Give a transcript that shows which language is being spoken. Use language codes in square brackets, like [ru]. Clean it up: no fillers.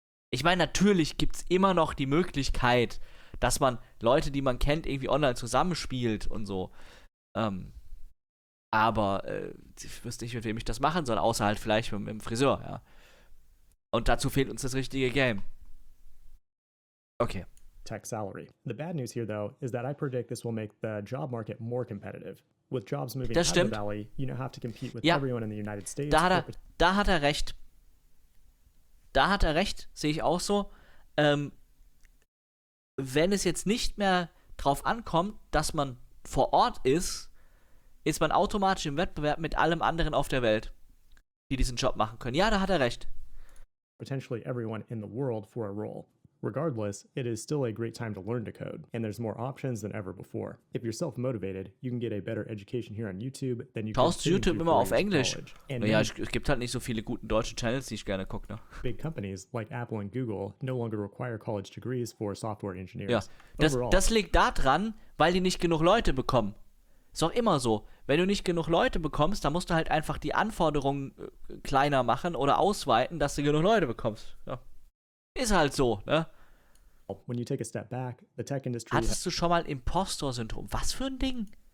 [de] Ich meine, natürlich gibt's immer noch die Möglichkeit, dass man Leute, die man kennt, irgendwie online zusammenspielt und so. Ich wüsste nicht, mit wem ich das machen soll, außer halt vielleicht mit dem Friseur, ja. Und dazu fehlt uns das richtige Game. Okay. [en] Tech salary. The bad news here, though, is that I predict this will make the job market more competitive. With jobs moving out of the valley, you now have to compete with everyone in the United States. [de] Da hat er recht. Da hat er recht, sehe ich auch so. Wenn es jetzt nicht mehr drauf ankommt, dass man vor Ort ist, ist man automatisch im Wettbewerb mit allem anderen auf der Welt, die diesen Job machen können. Ja, da hat er recht. [en] Potentially everyone in the world for a role. Regardless, it is still a great time to learn to code, and there's more options than ever before. If you're self-motivated, you can get a better education here on YouTube than you [de] can YouTube immer auf Englisch. Naja, es gibt halt nicht so viele guten deutsche Channels, die ich gerne gucke, ne? [en] Big companies like Apple and Google no longer require college degrees for software engineers. [de] Ja, das liegt daran, weil die nicht genug Leute bekommen. Ist auch immer so. Wenn du nicht genug Leute bekommst, dann musst du halt einfach die Anforderungen kleiner machen oder ausweiten, dass du genug Leute bekommst. Ja. Ist halt so, ne? [en] When you take a step back, the tech industry. [de] Hattest du schon mal Impostor-Syndrom? Was für ein Ding?